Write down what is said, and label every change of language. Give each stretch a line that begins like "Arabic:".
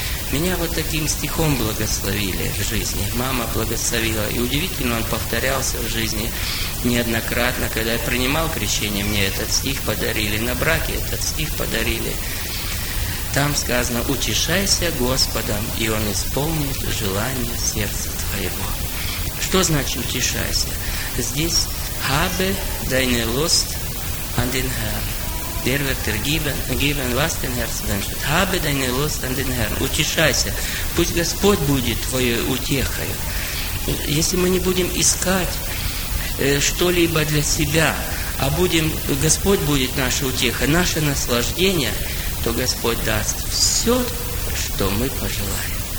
Russian: Меня вот таким стихом благословили в жизни, мама благословила, и удивительно, он повторялся в жизни неоднократно, когда я принимал крещение, мне этот стих подарили, на браке этот стих подарили. Там сказано: «Утешайся Господом, и Он исполнит желание сердца твоего». Что значит «утешайся»? Здесь
German: «Habe deine Lust an den Herrn». Der wird dir geben, was dein Herz wünscht. «Habe deine Lust an den Herrn».
Russian: «Утешайся». Пусть Господь будет твоей утехой. Если мы не будем искать что-либо для себя, а будем, Господь будет наша утеха, наше наслаждение, то Господь даст все, что мы пожелаем.